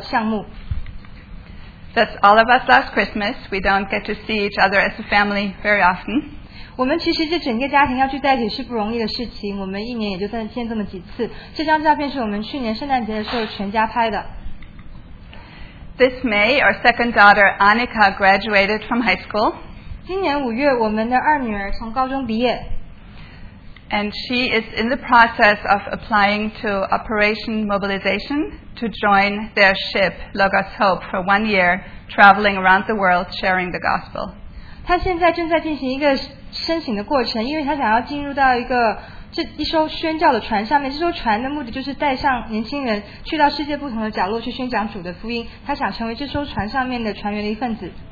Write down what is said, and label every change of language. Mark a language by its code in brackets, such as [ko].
[zh] 他今年夏天他在荷兰阿姆斯特丹这个城市，他现在正在进行一个宣教的项目。 [en] That's all of us last Christmas. We don't get to see each other as a family very often. [zh] 我们其实这整个家庭要聚在一起是不容易的事情，我们一年也就算见这么几次。这张照片是我们去年圣诞节的时候全家拍的。 [en] This May, our second daughter Annika graduated from high school. [zh] 今年五月，我们的二女儿从高中毕业。 [en] And she is in the process of applying to Operation Mobilization to join their ship, Logos Hope, for 1 year, traveling around the world sharing the gospel. [zh] 她现在正在进行一个申请的过程，因为她想要进入到一个这一艘宣教的船上面。这艘船的目的就是带上年轻人去到世界不同的角落去宣讲主的福音。她想成为这艘船上面的船员的一份子。